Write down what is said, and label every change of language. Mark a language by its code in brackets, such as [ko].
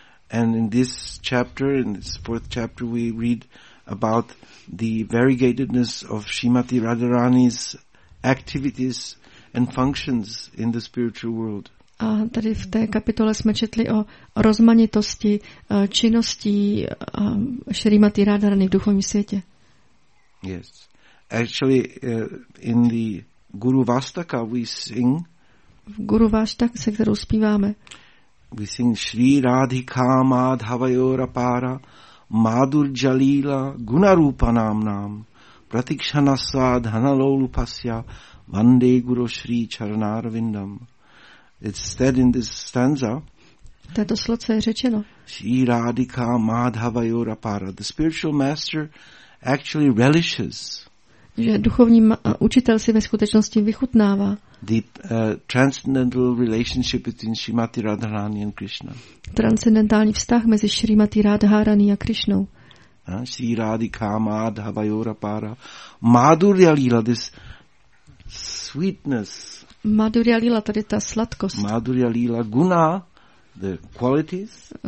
[en] And in this chapter, in this fourth chapter, we read about the variegatedness of Srimati Radharani's activities and functions in the spiritual world. [cs] A tady v té kapitole jsme četli o rozmanitosti činností Srimati Radharani v duchovním světě. [en] Yes. Actually, in the Guru Vastaka we sing. [cs] V Guru Vastaka, se kterou zpíváme. [en] We sing [sa] Shri Radhika Madhavayora Para Madhur Jalila Gunarupa Namnam Pratikshanasva Dhanalolupasya Vande Guru Shri Charanarvindam. [en] It's said in this stanza. [cs] Této sloce je řečeno. [sa] Shri Radhika Madhavayora Para. [en] The spiritual master actually relishes. [cs] Že duchovní učitel si ve skutečnosti vychutnává. [en] The transcendental relationship between Srimati Radharani and Krishna. [cs] Transcendentální vztah mezi Srimati Radharani a Krishnou. [sa] Shri Radhika Madhavayora Para. Madhurya Lila, [en] this sweetness. [cs] Madhurya Lila, tady ta sladkost. [sa] Madhurya Lila, guna, [en] the qualities.